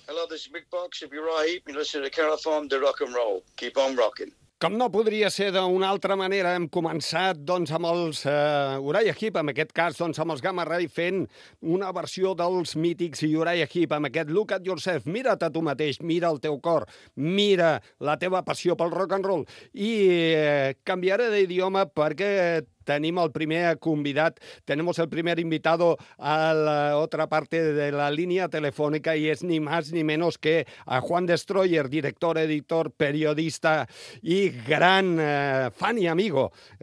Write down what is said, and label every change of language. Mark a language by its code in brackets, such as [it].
[en] this is Mick Box, if you're right, you're listening to Carol Farm, the rock and roll. Keep on rocking. [ca] Com no podria ser d'una altra manera, hem començat doncs amb els Uriah Heep, en aquest cas doncs amb els Gamma Ray, fent una versió dels mítics Uriah Heep amb aquest Look at Yourself, mira't a tu mateix, mira el teu cor, mira la teva passió pel rock and roll. I canviaré d'idioma perquè tenim el primer convidat, [es] tenemos el primer invitado a la otra parte de la línea telefónica y es ni más ni menos que a Juan Destroyer, director, editor, periodista y gran fan y amigo.